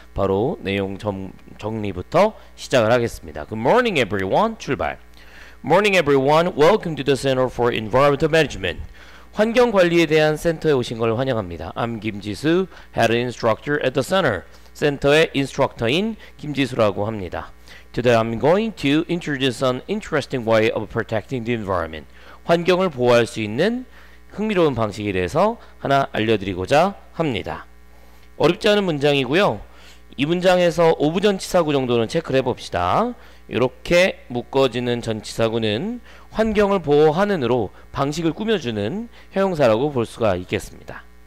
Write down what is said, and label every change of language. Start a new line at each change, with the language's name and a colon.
Korean: 바로 내용 정리부터 시작을 하겠습니다.
English: Good morning, everyone. 출발. Morning, everyone. Welcome to the Center for Environmental Management.
Korean: 환경 관리에 대한 센터에 오신 걸 환영합니다.
English: I'm 김지수, Head Instructor at the Center.
Korean: 센터의 인스트럭터인 김지수라고 합니다.
English: Today I'm going to introduce an interesting way of protecting the environment.
Korean: 환경을 보호할 수 있는 흥미로운 방식에 대해서 하나 알려드리고자 합니다. 어렵지 않은 문장이고요. 이 문장에서 5부 전치사구 정도는 체크를 해봅시다. 이렇게 묶어지는 전치사구는 환경을 보호하는으로 방식을 꾸며주는 형용사라고 볼 수가 있겠습니다.